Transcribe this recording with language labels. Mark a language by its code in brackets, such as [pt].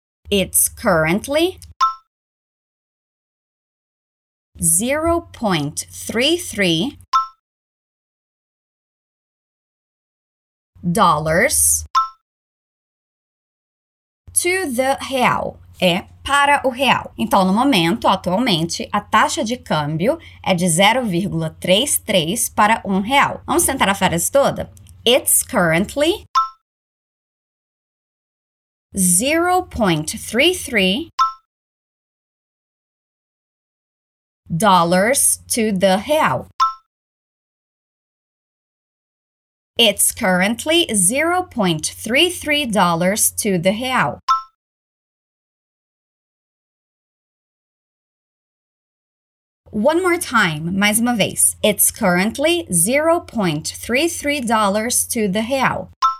[en] It's currently 0.33 dollars to the real. [pt] É para o real. Então, no momento, atualmente, a taxa de câmbio é de 0,33 para um real. Vamos tentar a frase toda? [en] It's currently 0.33 dollars to the real. It's currently 0.33 dollars to the real. One more time, [pt] mais uma vez. [en] It's currently 0.33 dollars to the real.